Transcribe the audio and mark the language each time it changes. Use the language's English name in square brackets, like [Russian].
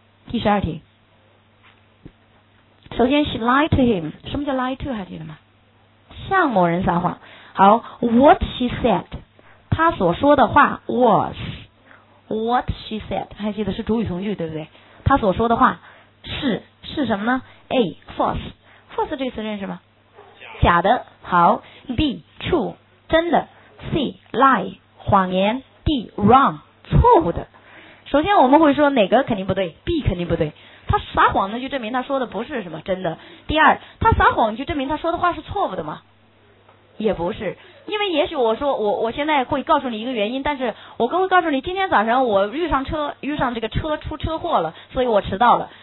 [Chinese] 第十二题，首先 [English] she lied to him， [Chinese] 什么叫 lie to 还记得吗？向某人撒谎。好， [English] what she said， [Chinese] 她所说的话 was， what she said 还记得是主语从句对不对？她所说的话是什么呢？ A false， false 这个词认识吗？假的。好， B true 真的， C lie 谎言，D wrong 错误的。首先我们会说哪个肯定不对， B 肯定不对，他撒谎呢就证明他说的不是什么真的。第二，他撒谎就证明他说的话是错误的吗？也不是。因为也许我说我现在会告诉你一个原因，但是我更会告诉你今天早上我遇上这个车出车祸了，所以我迟到了。